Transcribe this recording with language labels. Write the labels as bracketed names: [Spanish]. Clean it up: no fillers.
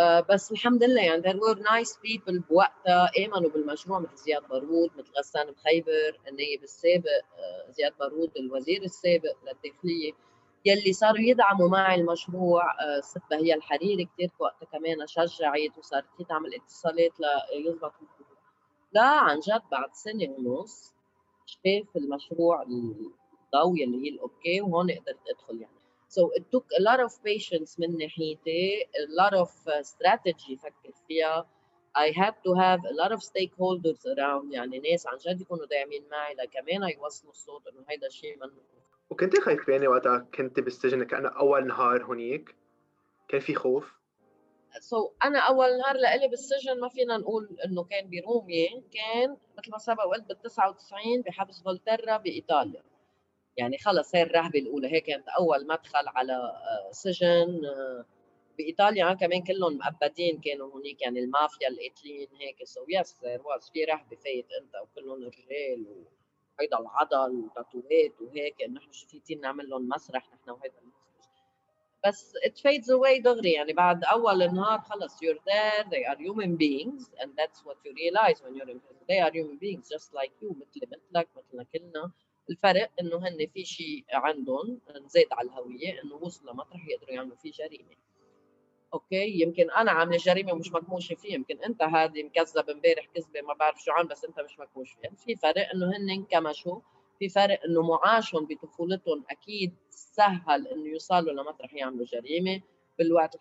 [Arabic] بس الحمد لله يعني [English] there were nice people [Arabic] بوقتها آمنوا بالمشروع، مثل زياد بارود، مثل غسان بخيبر النائب السابق، زياد بارود الوزير السابق للداخلية يلي صاروا يدعموا معي المشروع، ست بهية الحريري كتير وقتها كمان شجعت وصارت تعمل اتصالات ليزبط. لا عن جد بعد سنة ونص شاف المشروع الضوء اللي هي الأوكي وهون قدرت أدخل يعني. [English] So it took a lot of patience [Arabic] من ناحيتي, [English] a lot of strategy [Arabic] فكر فيها. [English] I had to have a lot of stakeholders around, [Arabic] يعني ناس عن جد يكونوا داعمين معي لكمان يوصلوا الصوت انه هيدا الشيء منه. وكنت خايفين وقتها كنت بالسجن كأنا اول نهار هنيك؟ كان في خوف؟ So انا اول نهار لقلي بالسجن ما فينا نقول انه كان برومي، كان مثل ما سبق وقلت بال 99 بحبس فولتيرا بايطاليا. يعني خلص هي الرهبة الأولى، هي كانت أول مدخل على سجن بإيطاليا، كمان كلهم مؤبدين كانوا هنيك يعني المافيا الإيطاليين هيك. [English] so yes there was [Arabic] في رهبة، فايت أنت وكلهم رجال وهيدا العضل وتاتوهات وهيك، إنه نحن شفيتين نعمل لهم مسرح نحن وهيدا المسرح. [English] بس it fades away [Arabic] دغري، يعني بعد أول نهار خلص [English] you're there, they are human beings and that's what you realize when you're in prison. They are human beings just like you, [Arabic] مثلي مثلك مثلنا كلنا. الفرق انه هن في شيء عندهم زيد على الهويه انه وصلوا مطرح يقدروا يعملوا فيه جريمه. اوكي يمكن انا عامل جريمه ومش مكموش فيه، يمكن انت هذه مكذب امبارح كذبه ما بعرف شو عم، بس انت مش مكموش فيه. في فرق انه هن انكمشوا، في فرق انه معاشهم بطفولتهم اكيد سهل انه يوصلوا لمطرح يعملوا جريمه بالوقت.